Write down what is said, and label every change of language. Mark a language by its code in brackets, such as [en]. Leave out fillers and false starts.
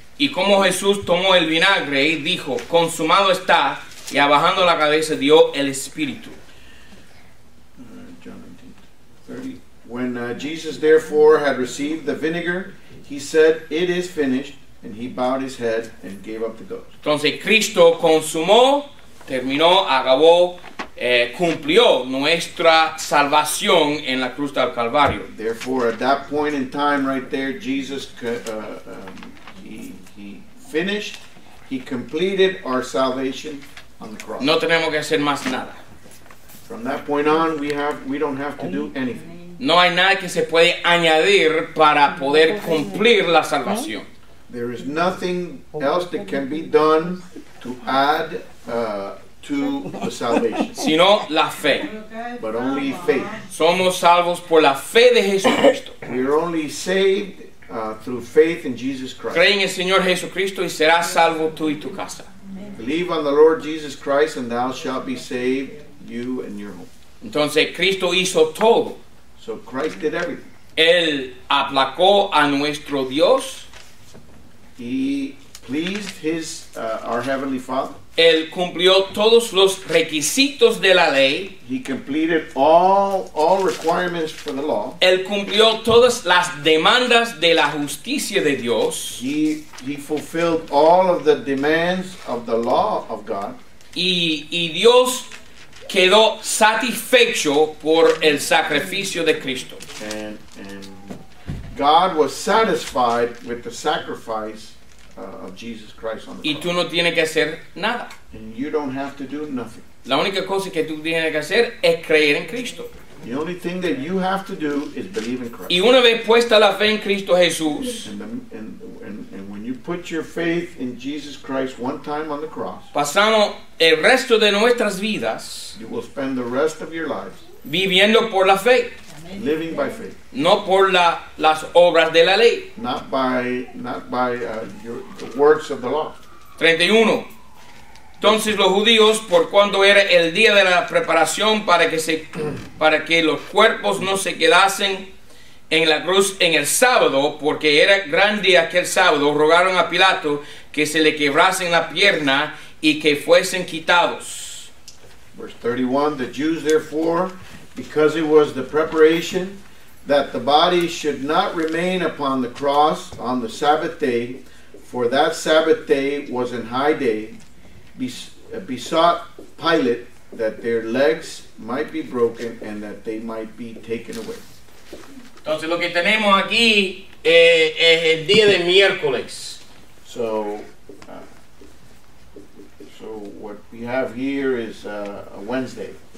[es] Y como Jesús tomó el vinagre y dijo, consumado está, y abajando la cabeza dio el Espíritu. [en] John 19:30. When Jesus therefore had received the vinegar, he said, it is finished, and he bowed his head and gave up the ghost. [es] Entonces Cristo consumó, terminó, acabó, cumplió nuestra salvación en la cruz del Calvario. [en] Therefore, at that point in time right there, Jesus he finished, he completed our salvation on the cross. [es] No tenemos que hacer más nada. [en] From that point on, we don't have to do anything. [es] No hay nada que se puede añadir para poder cumplir la salvación. [en] There is nothing else that can be done to add to the salvation. [es] Sino la fe. [en] But only faith. [es] Somos salvos por la fe de Jesucristo. [en] We are only saved through faith in Jesus Christ. [es] Cree en el Señor Jesucristo y serás salvo tú y tu casa. [en] Believe on the Lord Jesus Christ and thou shalt be saved, you and your home. [es] Entonces Cristo hizo todo. [en] So Christ did everything. [es] Él aplacó a nuestro Dios. [en] He pleased his our heavenly Father. [es] Él cumplió todos los requisitos de la ley. [en] He completed all requirements for the law. [es] Él cumplió todas las demandas de la justicia de Dios. [en] He fulfilled all of the demands of the law of God. [es] Y Dios quedó satisfecho por el sacrificio de Cristo. [en] And God was satisfied with the sacrifice of Jesus Christ on the cross. [es] Y tú no tienes que hacer nada. [en] And you don't have to do nothing. [es] La única cosa que tú tienes que hacer es creer en Cristo. [en] The only thing that you have to do is believe in Christ. [es] Y una vez puesta la fe en Cristo Jesús. [en] And when you put your faith in Jesus Christ one time on the cross. [es] Pasamos el resto de nuestras vidas. [en] You will spend the rest of your lives. [es] Viviendo por la fe. [en] Living by faith. [es] No por las obras de la ley. [en] Not by the works of the law. [es] 31. Entonces los judíos, por cuando era el día de la preparación para que los cuerpos no se quedasen en la cruz en el sábado, porque era gran día aquel sábado, rogaron a Pilato que se le quebrasen la pierna y que fuesen quitados. [en] Verse 31. The Jews therefore, because it was the preparation that the body should not remain upon the cross on the Sabbath day, for that Sabbath day was an high day, besought Pilate that their legs might be broken and that they might be taken away. [es] Entonces lo que tenemos aquí es el día de miércoles. [en] So what we have here is a Wednesday.